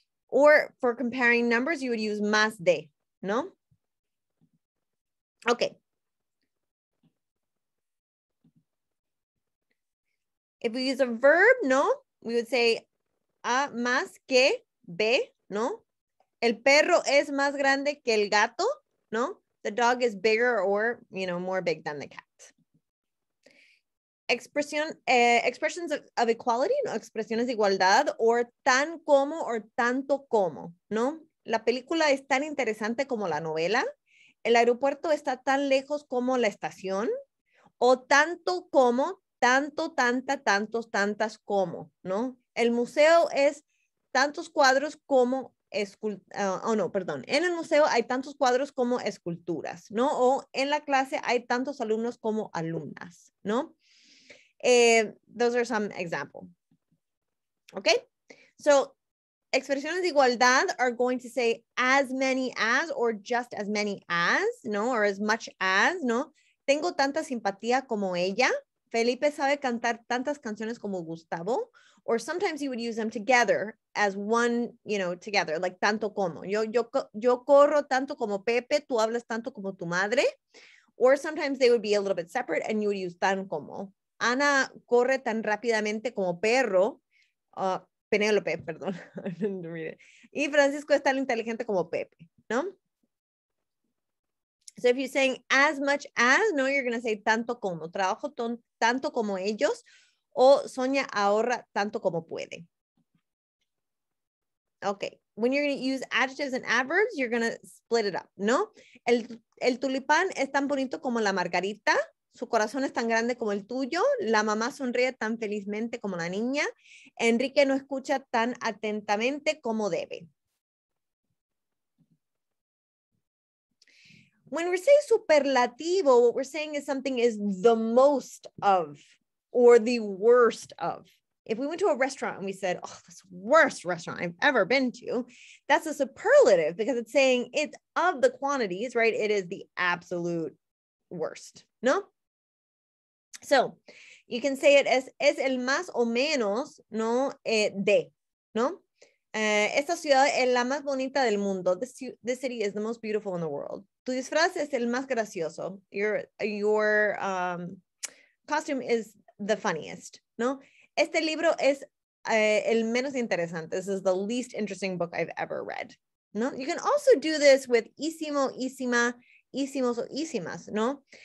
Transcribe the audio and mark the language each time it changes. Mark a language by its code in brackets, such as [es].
[en] Or for comparing numbers, you would use [es] más de, [en] ¿no? Okay. If we use a verb, ¿no? We would say A más que B, ¿no? [es] El perro es más grande que el gato, ¿no? [en] The dog is bigger or, you know, more big than the cat. Expressions of equality, ¿no? [es] Expresiones de igualdad, o tan como o tanto como, ¿no? La película es tan interesante como la novela. El aeropuerto está tan lejos como la estación. O tanto como, tanto, tanta, tantos, tantas como, ¿no? El museo es tantos cuadros como en el museo hay tantos cuadros como esculturas, ¿no? O en la clase hay tantos alumnos como alumnas, ¿no? [en] Those are some examples. Okay? So, [es] expresiones de igualdad [en] are going to say as many as or just as many as, ¿no? Or as much as, [es] ¿no? Tengo tanta simpatía como ella. Felipe sabe cantar tantas canciones como Gustavo. [en] Or sometimes you would use them together as one, you know, together, like [es] tanto como. Yo corro tanto como Pepe, tú hablas tanto como tu madre. [en] Or sometimes they would be a little bit separate and you would use [es] tan como. Ana corre tan rápidamente como perro. Penélope, perdón. Y Francisco es tan inteligente como Pepe, ¿no? [en] So if you're saying as much as, no, you're going to say [es] tanto como. Trabajo tanto como ellos. O Sonia ahorra tanto como puede. [en] Okay. When you're going to use adjectives and adverbs, you're going to split it up, ¿no? [es] El tulipán es tan bonito como la margarita. Su corazón es tan grande como el tuyo. La mamá sonríe tan felizmente como la niña. Enrique no escucha tan atentamente como debe. [en] When we say superlativo, what we're saying is something is the most of. Or the worst of. If we went to a restaurant and we said, oh, this worst restaurant I've ever been to, that's a superlative because it's saying it's of the quantities, right? It is the absolute worst, no? So you can say it as [es] es el más o menos, [en] ¿no? [es] De, ¿no? Esta ciudad es la más bonita del mundo. [en] This city is the most beautiful in the world. [es] Tu disfraz es el más gracioso. [en] Your costume is the funniest, [es] ¿no? Este libro es el menos interesante. [en] This is the least interesting book I've ever read, ¿no? You can also do this with ísimo, ísima, ísimos o ísimas, ¿no?